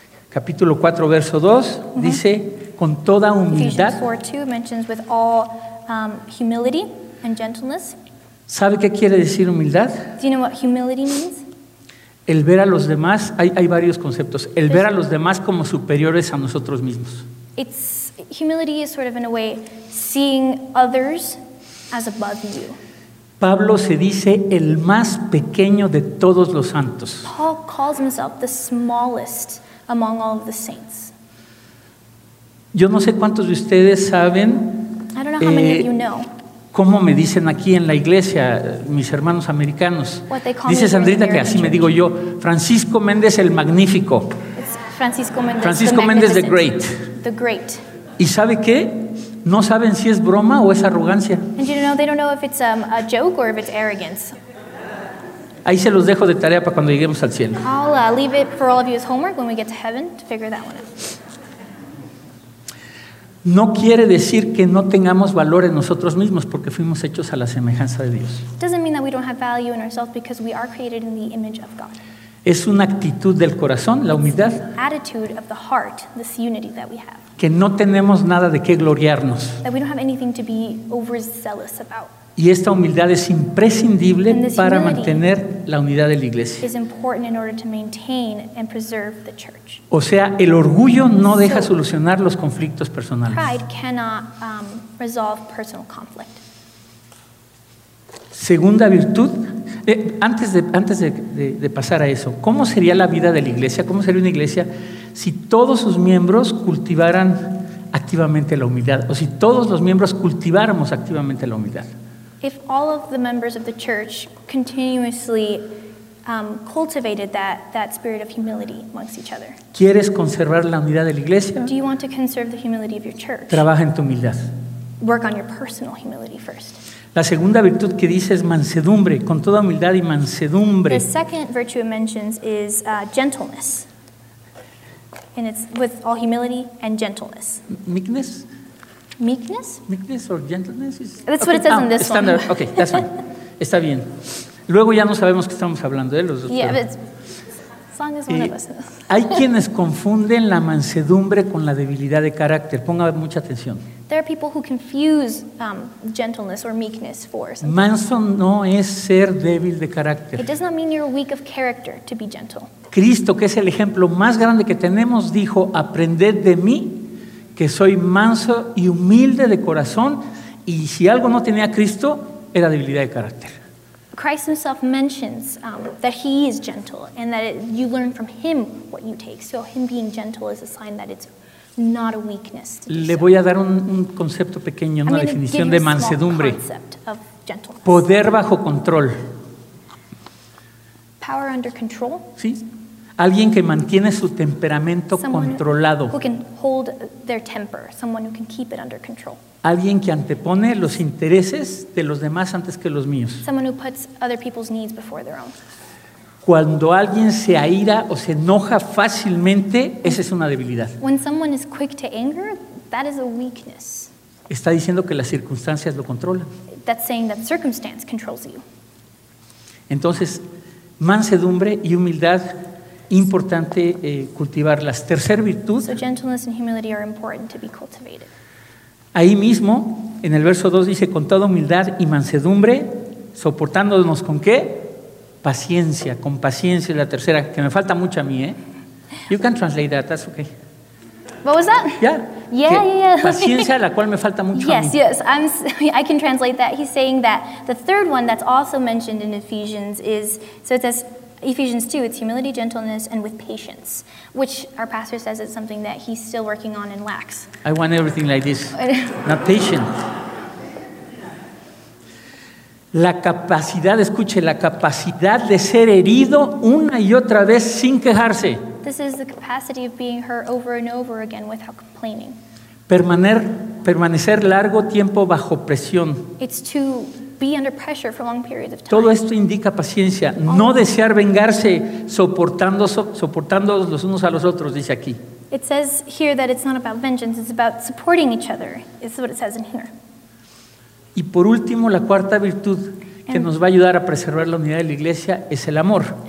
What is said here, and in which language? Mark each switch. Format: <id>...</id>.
<es>Capítulo 4 verso 2 dice con toda humildad.</es> <en>Ephesians 4:2 mentions with all humility and gentleness.</en> <es>¿Sabe qué quiere decir humildad?</es> <en>Do you know what humility means?</en> <es>El ver a los demás, hay varios conceptos. El ver a los demás como superiores a nosotros mismos.</es> <en>It's humility is sort of in a way seeing others as above you.</en> <es>Pablo se dice el más pequeño de todos los santos.</es> <en>Paul calls himself the smallest among all of the saints.</en> <es>Yo no sé cuántos de ustedes saben.</es> <en>I don't know how many of you know.</en> <es>¿Cómo me dicen aquí en la iglesia mis hermanos americanos?</es> <en>What they call</en> <es>dice me Sandrita que así me digo yo, Francisco Méndez el Magnífico. Francisco Méndez</es> <en>the Great. The Great.</en> <es>¿Y sabe qué? No saben si es broma o es arrogancia.</es> <en>And you know, they don't know if it's a joke or if it's arrogance.</en> <es>Ahí se los dejo de tarea para cuando lleguemos al cielo.</es> <en>I'll leave it for all of you as homework when we get to heaven to figure that one out.</en> <es>No quiere decir que no tengamos valor en nosotros mismos porque fuimos hechos a la semejanza de Dios.</es> <en>Doesn't mean that we don't have value in ourselves because we are created in the image of God.</en> <es>Es una actitud del corazón, la humildad.</es> <en>It's the attitude of the heart, this unity that we have.</en> <es>Que no tenemos nada de qué gloriarnos.</es> <en>That we don't have anything to be overzealous about.</en> <es>Y esta humildad es imprescindible para mantener la unidad de la iglesia.</es> <en>Is important in order to maintain and preserve the church.</en> <es>O sea, el orgullo no deja solucionar los conflictos personales.</es> <en>Pride cannot resolve personal conflict.</en> <es>Segunda virtud, antes de pasar a eso, ¿cómo sería la vida de la iglesia? ¿Cómo sería una iglesia si todos sus miembros cultivaran activamente la humildad? O si todos los miembros cultiváramos activamente la humildad.</es> <en>If all of the members of the church continuously cultivated that spirit of humility amongst each other.</en> <es>¿Quieres conservar la unidad de la iglesia?</es> <en>Do you want to conserve the humility of your church?</en> <es>Trabaja en tu humildad.</es> <en>Work on your personal humility first.</en> <es>La segunda virtud que dice es mansedumbre, con toda humildad y mansedumbre.</es> <en>The second virtue it mentions is gentleness. And it's with all humility and gentleness. Meekness? Meekness? Meekness or gentleness? That's what it says in this standard one. Okay, that's fine.</en> <es>Está bien. Luego ya no sabemos qué estamos hablando de los dos.</es> <en>Yeah, but as long as one of us knows.</en> <es>Hay quienes confunden la mansedumbre con la debilidad de carácter. Ponga mucha atención.</es> <en>There are people who confuse gentleness or meekness for something.</en> <es>Manso no es ser débil de carácter.</es> <en>It does not mean you're weak of character to be gentle.</en> <es>Cristo, que es el ejemplo más grande que tenemos, dijo: aprended de mí, que soy manso y humilde de corazón. Y si algo no tenía Cristo, era debilidad de carácter.</es> <en>Christ himself mentions that he is gentle and that you learn from him what you take. So him being gentle is a sign that it's not a weakness.</en> <es>Le voy a dar un concepto pequeño, una definición de mansedumbre.</es> <en>Of gentleness.</en> <es>Poder bajo control.</es> <en>Power under control.</en> <es>Sí. Alguien que mantiene su temperamento</es> <en>someone</en> <es>controlado.</es> <en>Who can hold their temper, someone who can keep it under control.</en> <es>Alguien que antepone los intereses de los demás antes que los míos.</es> <en>Someone who puts other people's needs before their own.</en> <es>Cuando alguien se aira o se enoja fácilmente, esa es una debilidad.</es> <en>When someone is quick to anger, that is a weakness.</en> <es>Está diciendo que las circunstancias lo controlan.</es> <en>That's saying that circumstance controls you.</en> <es>Entonces, mansedumbre y humildad, importante cultivarlas. Tercer virtud.</es> <en>So gentleness and humility are important to be cultivated.</en> <es>Ahí mismo, en el verso 2 dice, con toda humildad y mansedumbre, soportándonos con qué? Paciencia, con paciencia es la tercera, que me falta mucho a mí, ¿eh?</es> <en>You can translate that, that's okay. What was that? Yeah.</en> <es>Paciencia, la cual me falta mucho</es> <en>yes,</en> <es>a mí.</es> <en>Yes, I can translate that. He's saying that the third one that's also mentioned in Ephesians is, so it says, Ephesians 2, it's humility, gentleness, and with patience, which our pastor says is something that he's still working on and lacks. I want everything like this, not patience.</en> <es>La capacidad, escuche, la capacidad de ser herido una y otra vez sin quejarse.</es> <en>This is the capacity of being hurt over and over again without complaining.</en> <es>Permanecer largo tiempo bajo presión.</es> <en>It's to be under pressure for long periods of time.</en> <es>Todo esto indica paciencia. No desear vengarse soportando los unos a los otros, dice aquí.</es> <en>It says here that it's not about vengeance, it's about supporting each other. This is what it says in here.</en> <es>Y por último, la cuarta virtud que nos va a ayudar a preservar la unidad de la iglesia es el amor.</es>